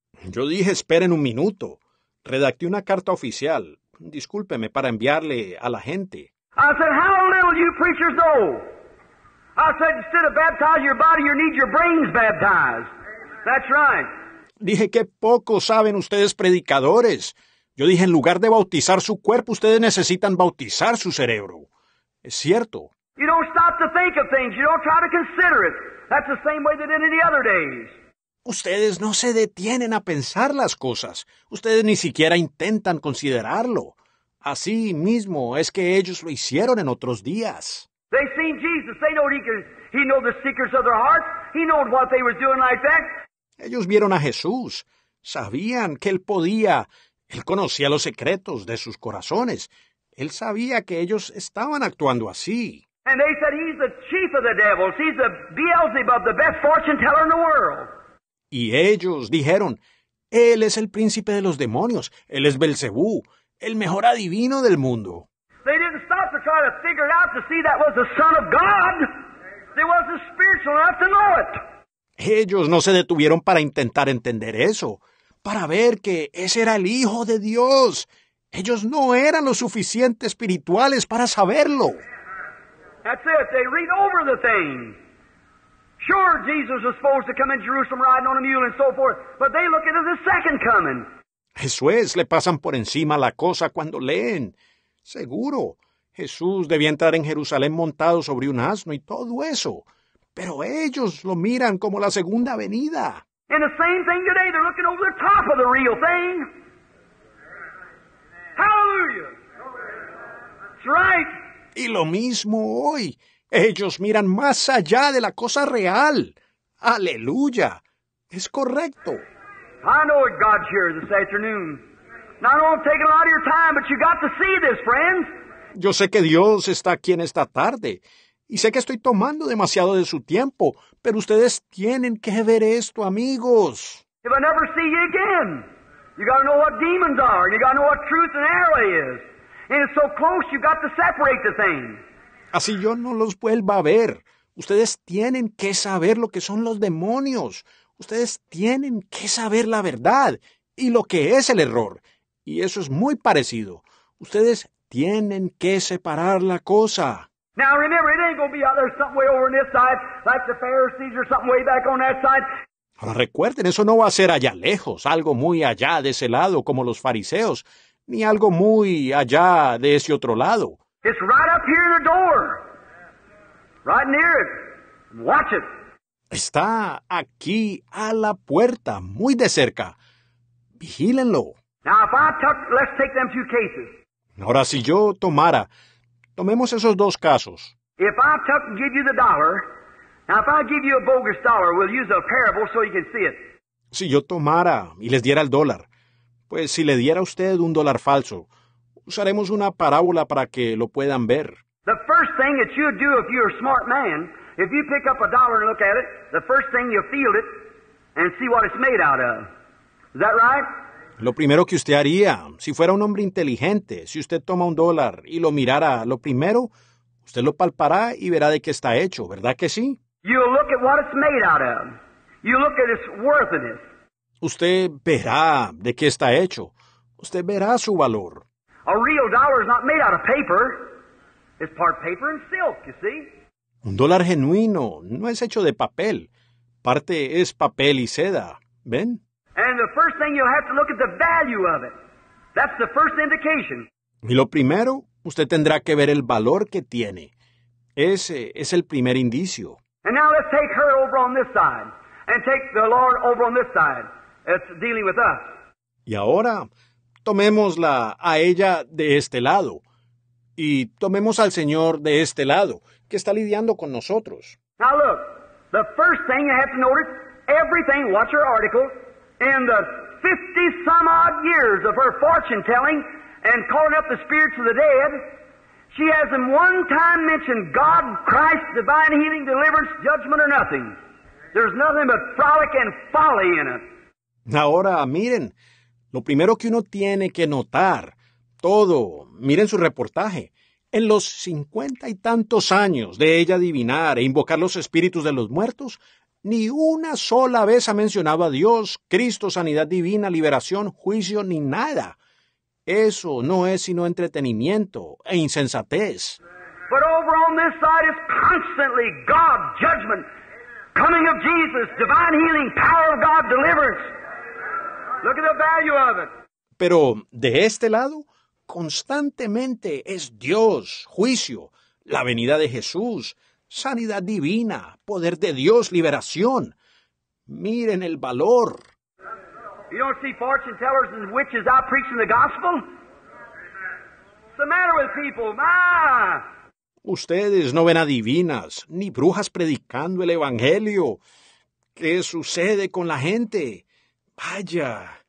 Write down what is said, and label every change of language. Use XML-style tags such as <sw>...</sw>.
<es>Yo dije, esperen un minuto. Redacté una carta oficial, discúlpeme, para enviarle a la gente.</es> <en>I said, how little you preachers know. I said, instead of baptizing your body, you need your brains baptized. That's right.</en> <es>Dije, qué poco saben ustedes predicadores. Yo dije, en lugar de bautizar su cuerpo, ustedes necesitan bautizar su cerebro. Es cierto.</es> <en>You don't stop to think of things. You don't try to consider it. That's the same way they did in the other days.</en> <es>Ustedes no se detienen a pensar las cosas. Ustedes ni siquiera intentan considerarlo. Así mismo es que ellos lo hicieron en otros días.</es> <en>They seen Jesus. They know he know the secrets of their hearts. He know what they were doing like that.</en> <es>Ellos vieron a Jesús. Sabían que él podía. Él conocía los secretos de sus corazones. Él sabía que ellos estaban actuando así.</es> <en>And they said he's the chief of the devils. He's the Beelzebub, the best fortune teller in the world.</en> <es>Y ellos dijeron, él es el príncipe de los demonios, él es Belcebú, el mejor adivino del mundo.</es> <en>They didn't stop to try to figure it out to see that was the Son of God. They wasn't spiritual enough to know it.</en> <es>Ellos no se detuvieron para intentar entender eso, para ver que ese era el Hijo de Dios. Ellos no eran lo suficiente espirituales para saberlo.</es> <en>That's it, they read over the thing. Sure, Jesus was supposed to come in Jerusalem riding on a mule and so forth, but they look into the second coming.</en> <es>Eso es, le pasan por encima la cosa cuando leen. Seguro, Jesús debía entrar en Jerusalén montado sobre un asno y todo eso. Pero ellos lo miran como la segunda venida.</es> <en>And the same thing today, they're looking over the top of the real thing. Hallelujah! That's right.</en> <es>Y lo mismo hoy. Ellos miran más allá de la cosa real. ¡Aleluya! Es correcto.</es> <en>I know that God's here this afternoon. Not only taking a lot of your time, but you got to see this, friends.</en> <es>Yo sé que Dios está aquí en esta tarde. Y sé que estoy tomando demasiado de su tiempo. Pero ustedes tienen que ver esto, amigos.</es> <en>If I never see you again, you got to know what demons are. You got to know what truth and error is. And it's so close, you got to separate the thing.</en> <es>Así yo no los vuelva a ver. Ustedes tienen que saber lo que son los demonios. Ustedes tienen que saber la verdad y lo que es el error. Y eso es muy parecido. Ustedes tienen que separar la cosa.</es> <en>Now remember, it ain't gonna be out there somewhere over on this side, like the Pharisees or something way back on that side.</en> <es>Ahora recuerden, eso no va a ser allá lejos, algo muy allá de ese lado como los fariseos, ni algo muy allá de ese otro lado.</es> <en>It's right up here in the door. Right near it. Watch it.</en> <es>Está aquí a la puerta, muy de cerca. Vigílenlo.</es> <en>Now, if I took, let's take them two cases.</en> <es>Ahora, si yo tomara, tomemos esos dos casos.</es> <en>If I took and give you the dollar, now if I give you a bogus dollar, we'll use a parable so you can see it.</en> <es>Si yo tomara y les diera el dólar, pues si le diera a usted un dólar falso, usaremos una parábola para que lo puedan ver.</es> <en>The first thing that you do if you're a smart man, if you pick up a dollar and look at it, the first thing you feel it and see what it's made out of. Is that right?</en> <es>Lo primero que usted haría, si fuera un hombre inteligente, si usted toma un dólar y lo mirara, lo primero, usted lo palpará y verá de qué está hecho, ¿verdad que sí?</es> <en>You look at what it's made out of. You look at its worthiness.</en> <es>Usted verá de qué está hecho. Usted verá su valor.</es> <en>A real dollar is not made out of paper. It's part paper and silk, you see.</en> <es>Un dólar genuino no es hecho de papel. Parte es papel y seda. ¿Ven?</es> <en>And the first thing you'll have to look at the value of it. That's the first indication.</en> <es>Y lo primero, usted tendrá que ver el valor que tiene. Ese es el primer indicio.</es> <en>And now let's take her over on this side. And take the Lord over on this side. It's dealing with us.</en> <es>Y ahora, tomémosla a ella de este lado. Y tomemos al Señor de este lado, que está lidiando con nosotros.</es> <en>Now look, the first thing you have to notice, everything, watch her article, in the 50-some-odd years of her fortune-telling and calling up the spirits of the dead, she hasn't one time mentioned God, Christ, divine healing, deliverance, judgment, or nothing. There's nothing but frolic and folly in it.</en> <es>Ahora, miren, lo primero que uno tiene que notar, todo, miren su reportaje. En los 50 y tantos años de ella adivinar e invocar los espíritus de los muertos, ni una sola vez ha mencionado a Dios, Cristo, sanidad divina, liberación, juicio, ni nada. Eso no es sino entretenimiento e insensatez.</es> <en>But over on this side is constantly God, judgment, coming of Jesus, divine healing, power of God, deliverance. Look at the value of it.</en> <es>Pero de este lado, constantemente es Dios, juicio, la venida de Jesús, sanidad divina, poder de Dios, liberación. Miren el valor.</es> <en>You don't see fortune tellers and witches out preaching the gospel? What's the matter with people? My!</en> <es>Ustedes no ven adivinas, ni brujas predicando el evangelio. ¿Qué sucede con la gente? Vaya.</es>